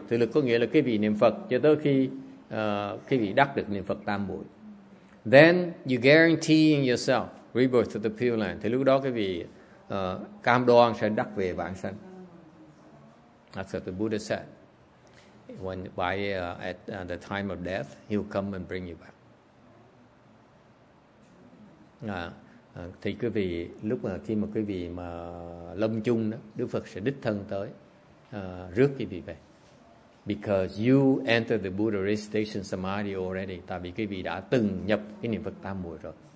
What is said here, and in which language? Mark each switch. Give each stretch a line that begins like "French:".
Vietnamese: Tự lực có nghĩa là cái vị niệm Phật cho tới khi cái vị đắc được niệm Phật tam bội.
English: Then you guaranteeing yourself rebirth to the Pure Land.
Vietnamese: Thì lúc đó cái vị cam đoan sẽ đắc về vãng sanh.
English: That's what the Buddha said. When at the time of death, he'll come and bring you back.
Vietnamese: Thì quý vị lúc mà khi mà quý vị mà lâm chung đó, Đức Phật sẽ đích thân tới rước quý vị về.
English: Because you entered the Buddha Resuscitation Samadhi already,
Vietnamese: tại vì quý vị đã từng nhập cái niệm Phật Tam Muội rồi.